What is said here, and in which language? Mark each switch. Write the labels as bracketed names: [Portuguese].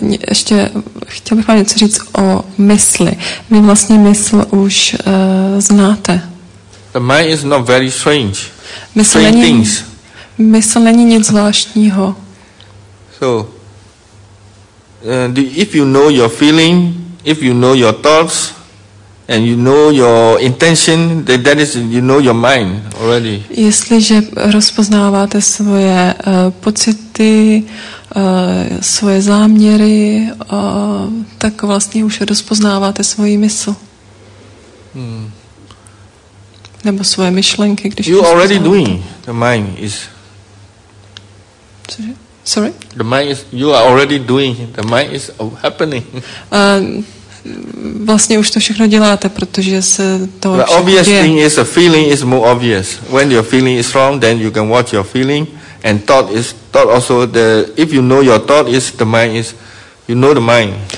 [Czech] ještě chtěl bych vám něco říct o mysli. Vy vlastně mysl už znáte. [English] The mind is not very strange. [Czech] Mysl [English] strange [Czech] není, [English] things. [Czech] Mysl není nic zvláštního. [English] So if you know your feeling, if you know your thoughts, and you know your intention, that is, you know your mind already. [Czech] Jestliže rozpoznáváte svoje pocity, svoje záměry, tak vlastně už rozpoznáváte svoji mysl. Nebo svoje myšlenky, když [English] you already doing. The mind is. [Czech] Cože? [English] Sorry? The mind is. You are already doing. The mind is happening. [Czech] Vlastně už to všechno děláte, protože se to všechno [English] obvious [Czech] děje. [English] Thing is a feeling is more obvious. When your feeling is wrong, then you can watch your feeling and thought is thought also the if you know your thought is the mind is you know the mind.